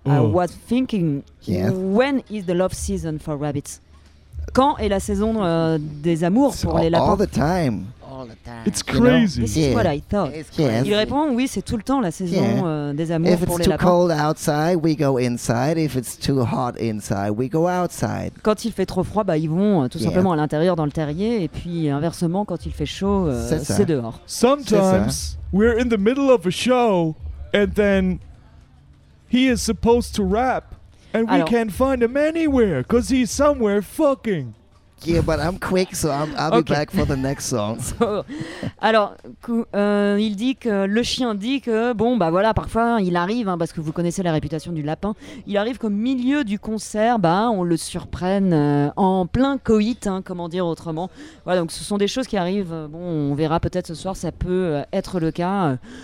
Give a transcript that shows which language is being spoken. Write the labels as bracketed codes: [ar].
[en] I was thinking, when is the love season for rabbits? [fr] Quand est la saison des amours pour les lapins? [en] All the time. It's crazy. You know? This is what I thought. Yes. [fr] Il répond, oui, c'est tout le temps la saison des amours pour les lapins. [en] If it's too cold outside, we go inside. If it's too hot inside, we go outside. [fr] Quand il fait trop froid, bah, ils vont tout simplement à l'intérieur dans le terrier. Et puis inversement, quand il fait chaud, c'est dehors. [en] Sometimes... We're in the middle of a show, and then he is supposed to rap, and we can't find him anywhere, because he's somewhere fucking. Yeah, but I'm quick, so I'll be back for the next song. [fr] So, alors, il dit que le chien dit que, bon, bah voilà, parfois, il arrive, hein, parce que vous connaissez la réputation du lapin, il arrive qu'au milieu du concert, bah, on le surprenne en plein coït, hein, comment dire autrement. Voilà, donc ce sont des choses qui arrivent, bon, on verra peut-être ce soir, ça peut être le cas.